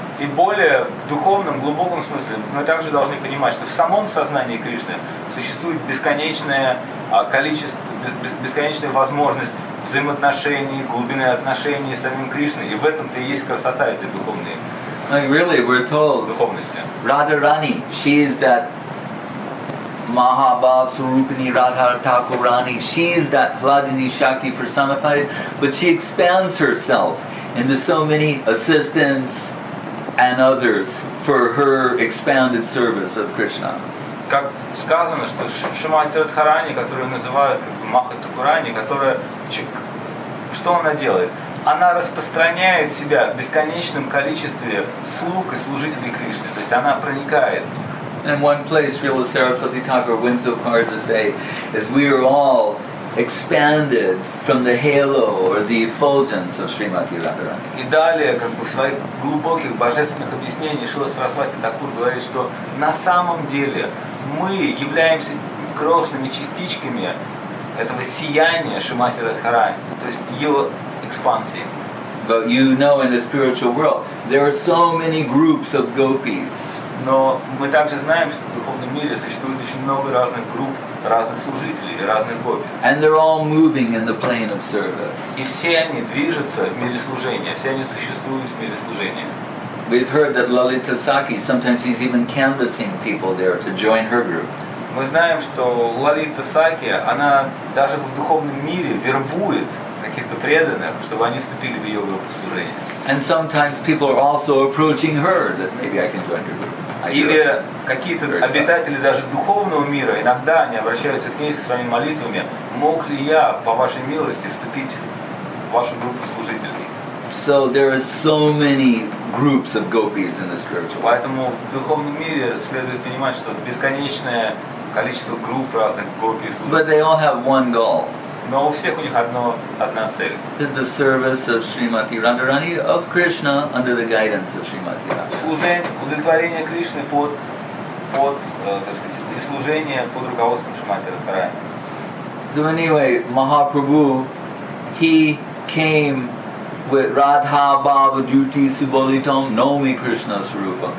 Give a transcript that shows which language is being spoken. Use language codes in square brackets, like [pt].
[ru] И более в духовном, глубоком смысле мы также должны понимать, что в самом сознании Кришны существует бесконечное количество, бесконечная возможность взаимоотношений, глубины отношений с самим Кришной. И в этом-то и есть красота этой духовной. [en] Like really, we're told, [ru] духовности. [en] Radharani, she is that Mahabhav Surupini Radhar Thakurani, she is that Hladini Shakti personified, but she expands herself into so many assistants and others for her expanded service of Krishna. [ru] Как сказано, что Шимати Радхарани, которую называют как бы Махатхакурани, которая, что она делает? Она распространяет себя в бесконечном количестве слуг и служителей Кришны. То есть она проникает. [en] And one place Srila Saraswati Thakur went so far to say is we are all expanded from the halo or the effulgence of Srimati Radharani. [ru] И далее, как бы в своих глубоких божественных объяснениях, Шрила Сарасвати Такур говорит, что на самом деле мы являемся крошечными частичками этого сияния Шримати Радхарани, то есть его экспансии. [en] But you know in the spiritual world there are so many groups of gopis. [ru] Но мы также знаем, что в духовном мире существует очень много разных групп, разных служителей и разных гопи. [en] And they're all moving in the plane of service. [ru] И все они движутся в мире служения, все они существуют в мире служения. [en] We've heard that Lalita Sakhi, sometimes she's even canvassing people there to join her group. [ru] Мы знаем, что Лалита Сакхи, она даже в духовном мире вербует каких-то преданных, чтобы они вступили в ее группу служения. [en] And sometimes people are also approaching her that maybe I can join her group. [ru] Или какие-то обитатели даже духовного мира иногда они обращаются к ней со своими молитвами. Мог ли я, по вашей милости, вступить в вашу группу служителей? [en] So there are so many groups of gopis in the spiritual world. [ru] Поэтому в духовном мире следует понимать, что бесконечное количество групп разных гопи. [en] But they all have one goal. [ru] Но у всех у них одна цель. [en] It's the service of Srimati Radharani, of Krishna under the guidance of Srimati Radharani. [ru] Служение, удовлетворение Кришны под так сказать, и служение под руководством Шримати Радхарани. [en] So anyway, Mahaprabhu, he came with [sa] Radha Bhava Duti Sibolitam Nomi Krishna Sarupam.